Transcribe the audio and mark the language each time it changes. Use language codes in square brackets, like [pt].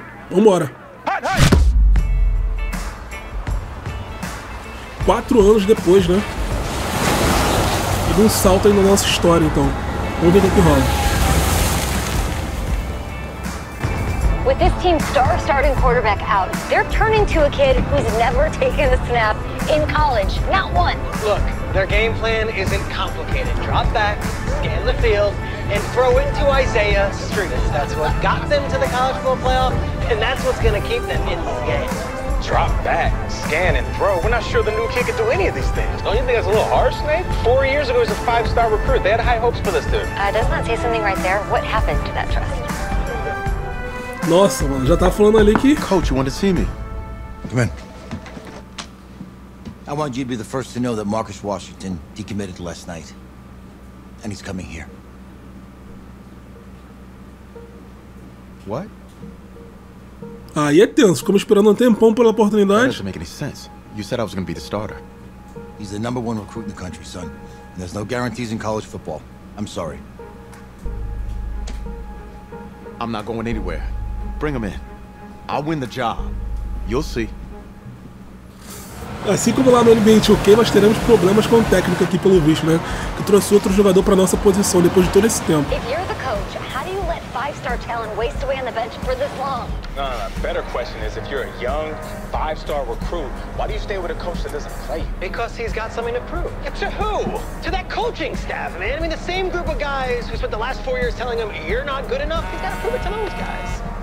[pt] Vambora. 4 anos depois, né? E um salto aí na nossa história, então. Vamos ver o que rola. [en] With this team's star starting quarterback out, they're turning to a kid who's never taken a snap in college. Not one. Look, their game plan isn't complicated. Drop back, scan the field, and throw it to Isaiah Strudis. That's what got them to the college football playoff, and that's what's going to keep them in this game. Drop back, scan, and throw. We're not sure the new kid could do any of these things. Don't you think that's a little harsh, Nate? 4 years ago, he was a 5-star recruit. They had high hopes for this dude. Doesn't that say something right there? What happened to that trust? [pt] Nossa, mano, já tá falando ali que... [en] Coach, you want to see me? Come in. I want you to be the first to know that Marcus Washington decommitted last night. And he's coming here. What? [pt] Aí é tenso, ficamos esperando um tempão pela oportunidade. [en] That doesn't make any sense. You said I was going to be the starter. He's the number one recruit in the country, son. And there's no guarantees in college football. I'm sorry. I'm not going anywhere. Bring him in. I'll win the job. You'll see. [pt] Assim como lá no NBA 2K, nós teremos problemas com o técnico aqui pelo visto, né? Que trouxe outro jogador para nossa posição depois de todo esse tempo. [en] If you're the coach, how do you let 5-star talent waste away on the bench for this long? No, a better question is if you're a young 5-star recruit, why do you stay with a coach that doesn't play? Because he's got something to prove. Yeah, to who? To that coaching staff, man. I mean, the same group of guys who spent the last 4 years telling him you're not good enough, he's got to prove it to those guys.